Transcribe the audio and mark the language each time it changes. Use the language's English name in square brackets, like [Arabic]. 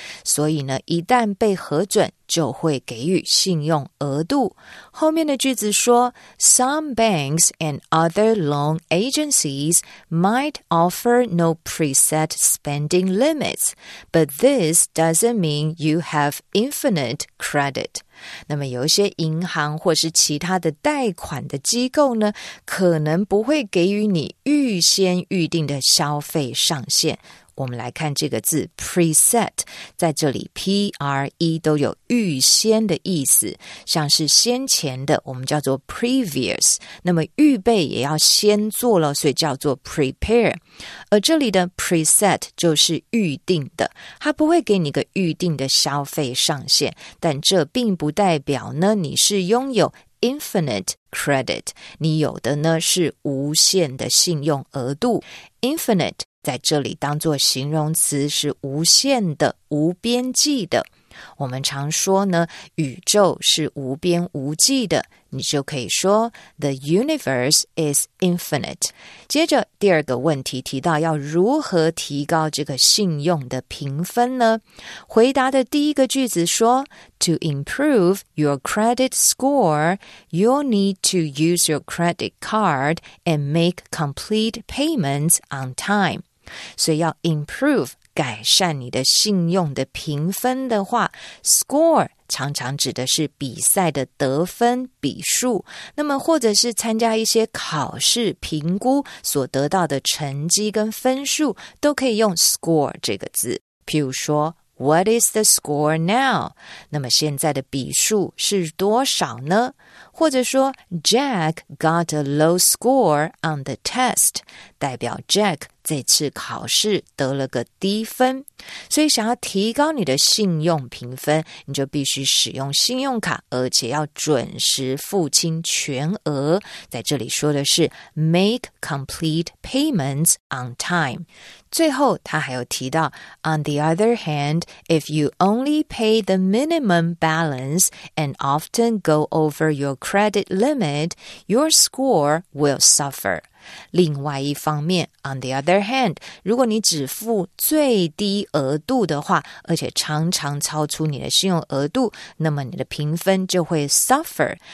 [Chinese] 所以呢，一旦被核准，就会给予信用额度。后面的句子说 [English] Some banks and other loan agencies might offer no preset spending limits, but this doesn't mean you have infinite credit. [Chinese] 那么有一些银行或是其他的贷款的机构呢，可能不会给予你预先预定的消费上限。我们来看这个字 preset, 在这里 PRE 都有预先的意思，像是先前的我们叫做 previous, 那么预备也要先做了，所以叫做 prepare。而这里的 preset 就是预定的，它不会给你一个预定的消费上限，但这并不代表呢你是拥有 [English] infinite credit, [Chinese] 你有的呢是无限的信用额度。 infinite 在这里当作形容词是无限的、无边际的。我们常说呢，宇宙是无边无际的，你就可以说 [English] The universe is infinite. [Chinese] 接着第二个问题提到要如何提高这个信用的评分呢？回答的第一个句子说 [English] To improve your credit score, you'll need to use your credit card and make complete payments on time. [Chinese] 所以要 improve改善你的信用的评分的话 ,score 常常指的是比赛的得分比数，那么或者是参加一些考试评估所得到的成绩跟分数都可以用 score 这个字。譬如说 [English] ,what is the score now? [Chinese] 那么现在的比数是多少呢？ [English] 或者说 ,Jack got a low score on the test, [Chinese] 代表 Jack这次考试得了个低分。所以想要提高你的信用评分，你就必须使用信用卡，而且要准时付清全额。在这里说的是 [English] make complete payments on time。 [Chinese] 最后他还有提到 [English] On the other hand, if you only pay the minimum balance and often go over your credit limit, your score will suffer. [Chinese] 另外一方面 [English] On the other hand, [Chinese] 如果你只付最低额度的话，而且常常超出你的信用额度，那么你的评分就会 suffer。